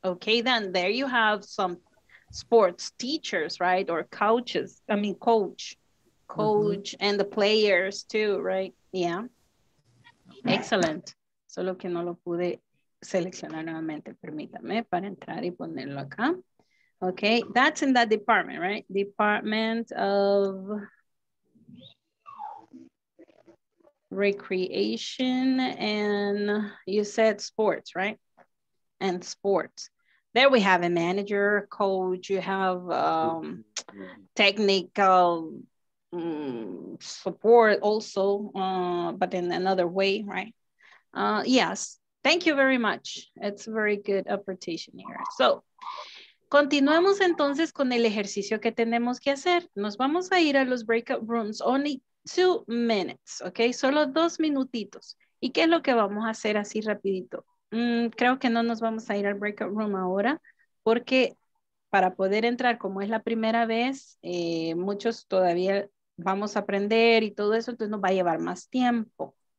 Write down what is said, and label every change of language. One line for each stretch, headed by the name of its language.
English: Okay, then there you have some sports teachers, right? Or coaches. I mean coach and the players too, right? Yeah. Excellent.
Spanish: Solo que no lo pude seleccionar nuevamente, permítame, para entrar y ponerlo acá.
English: Okay, that's in that department, right? Department of Recreation and you said sports, right? And sports. There we have a manager, coach, you have technical support also, but in another way, right? Yes, thank you very much. It's a very good opportunity here.
Spanish: So, continuemos entonces con el ejercicio que tenemos que hacer. Nos vamos a ir a los breakout rooms,
English: only 2 minutes,
Spanish: ok? Solo 2 minutitos. ¿Y qué es lo que vamos a hacer así rapidito? Creo que no nos vamos a ir al breakout room ahora, porque para poder entrar, como es la primera vez, muchos todavía vamos a aprender y todo eso, entonces nos va a llevar más tiempo.